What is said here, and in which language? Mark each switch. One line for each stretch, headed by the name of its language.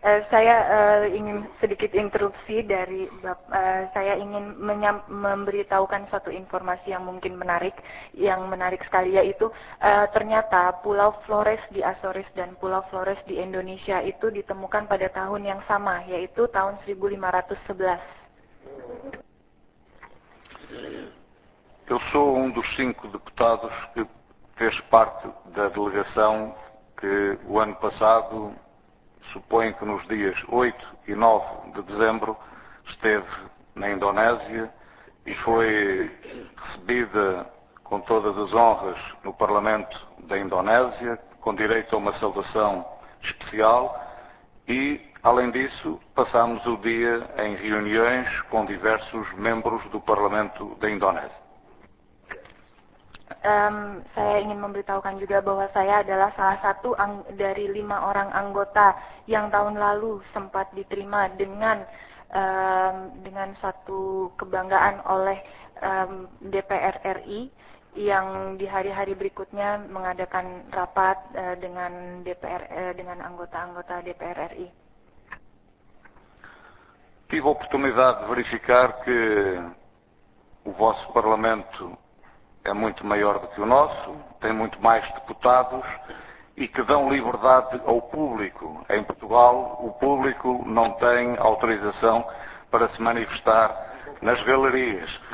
Indonesian: Saya ingin sedikit interupsi dari saya ingin memberitahukan suatu informasi yang mungkin menarik, yang menarik sekali, yaitu ternyata Pulau Flores di Azores dan Pulau Flores di Indonesia itu ditemukan pada tahun yang sama, yaitu tahun 1511.
Portuguese: Eu sou dos 5 deputados que fez parte da delegação que o ano passado, suponho que nos dias 8 e 9 de dezembro, esteve na Indonésia e foi recebida com todas as honras no Parlamento da Indonésia, com direito a uma saudação especial e, além disso, passámos o dia em reuniões com diversos membros do Parlamento da Indonésia.
Indonesian: Saya ingin memberitahukan juga bahwa saya adalah salah satu dari 5 orang anggota yang tahun lalu sempat diterima dengan satu kebanggaan oleh DPR RI, yang di hari-hari berikutnya mengadakan rapat dengan anggota-anggota DPR RI.
Portuguese: Tive oportunidade de verificar que o vosso parlamento é muito maior do que o nosso, tem muito mais deputados e que dão liberdade ao público. Em Portugal, o público não tem autorização para se manifestar nas galerias.